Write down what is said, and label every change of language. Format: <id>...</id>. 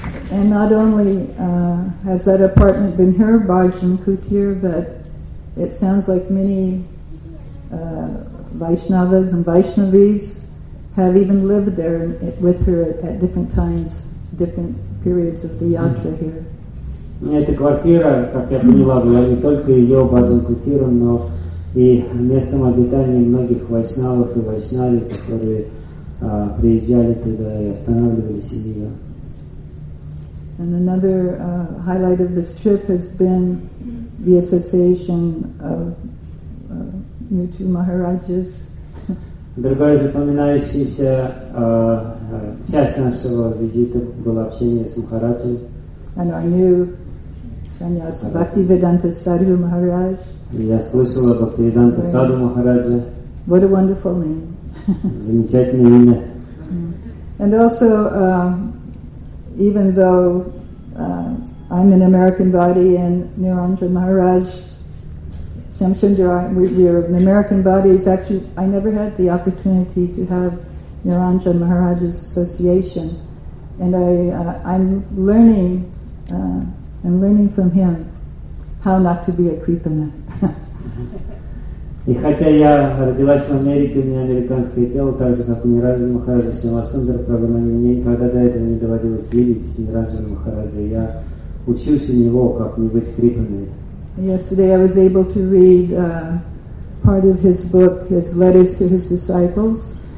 <en>And not only has that apartment been her Bhajan Kutir, but it sounds like many Vaishnavas and Vaishnavis have even lived there with her at different times, different periods of the yatra here.</en> <ru>Эта квартира, как я поняла, была не только ее Bhajan Kutir, но и местом обитания многих Вайшнавов и Вайшнави, которые приезжали туда и останавливались у нее.</ru> <en>And another highlight of this trip has been the association of you two Maharajas.</en> <ru>Другая запоминающаяся часть нашего визита была общение с Махараджем.</ru> <en>And our new sannyasa Bhaktivedanta Sadhu Maharaj.</en> <ru>Я слышала Бхактивиданта Саду Махараджа.</ru> <en>What a wonderful name.</en> <ru>Замечательное имя.</ru> <en>And also, even though I'm an American body, and Niranjana Maharaj, Shamsundara, we are an American body. It's actually, I never had the opportunity to have Niranjana Maharaj's association, and I'm learning from him how not to be a creepana.</en> <ru>И хотя я родилась в Америке, у меня американское тело, так же, как у Ниранджи Махараджа Шамасундара Прабху, мне никогда до этого не доводилось видеть Ниранджи Махараджа. Я учусь у него, как не быть крипаной.</ru> <en>Yesterday I was able to read part of his book, his letters to his disciples.</en>